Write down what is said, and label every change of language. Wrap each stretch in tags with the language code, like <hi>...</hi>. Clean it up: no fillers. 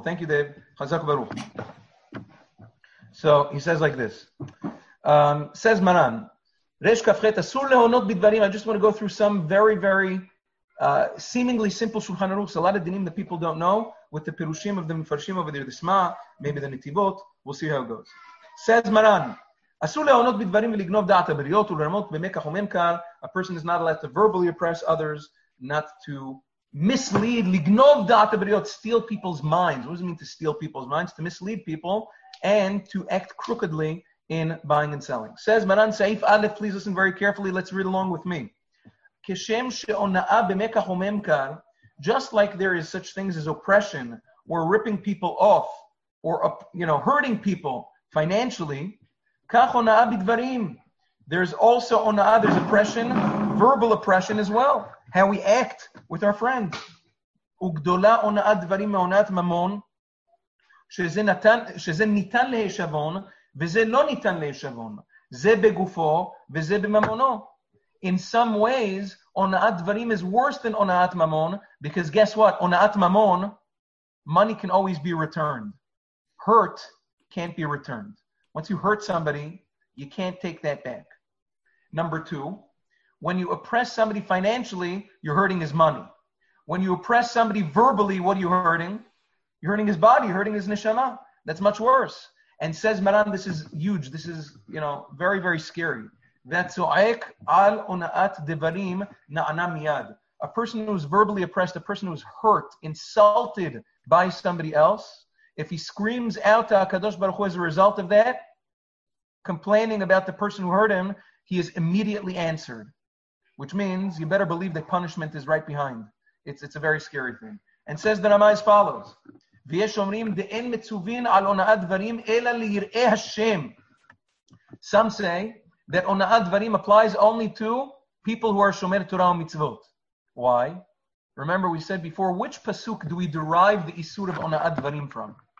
<en>Thank you, Dave. Chazak Baruch. So, he says like this. Says Maran, Resh Kafchet, Asur Lehonot Bidvarim. I just want to go through some very, very seemingly simple Shulchan Aruch. A lot of dinim that people don't know, with the Pirushim of the Mifarshim over there, the Sma, maybe the Nitivot. We'll see how it goes. Says Maran,</en> <he>אסור להונות בדברים ולגנוב דעת הבריות ולרמות במקח וממקר.</he> <en>A person is not allowed to verbally oppress others, not to mislead,</en> <he>לגנוב דעת הבריות,</he> <en>steal people's minds. What does it mean to steal people's minds? To mislead people and to act crookedly in buying and selling. Says מרן סעיף א', please listen very carefully, let's read along with me.</en> <he>כשם שהונאה במקח וממקר,</he> <en>just like there is such things as oppression, or ripping people off, or you know, hurting people financially,</en> <he>כך הונאה בדברים.</he> <en>There's also הונאה, there's oppression, verbal oppression as well. How we act with our friends.</en> <he>וגדולה הונאה דברים מהונאת ממון, שזה ניתן להישבון, וזה לא ניתן להישבון. זה בגופו, וזה בממונו.</he> <en>In some ways, הונאת דברים is worse than הונאת ממון, because guess what? הונאת ממון, money can always be returned. Hurt can't be returned. Once you hurt somebody, you can't take that back. Number two, when you oppress somebody financially, you're hurting his money. When you oppress somebody verbally, what are you hurting? You're hurting his body, you're hurting his neshama. That's much worse. And says Maran, this is huge. This is, you know, very, very scary. That's so'ek al una'at devarim na'ana miyad. A person who's verbally oppressed, a person who's hurt, insulted by somebody else, if he screams out to HaKadosh Baruch Hu as a result of that, complaining about the person who hurt him, he is immediately answered. Which means you better believe that punishment is right behind. It's a very scary thing. And says the Ramah as follows.</en> <he>ויש אומרים דאין מצווין על הונאת דברים אלא ליראי השם.</he> <en>Some say that הונאת דברים applies only to people who are</en> <he>שומר תורה ומצוות.</he> <en>Why? Remember we said before, which pasuk do we derive the isur of הונאת דברים from?</en>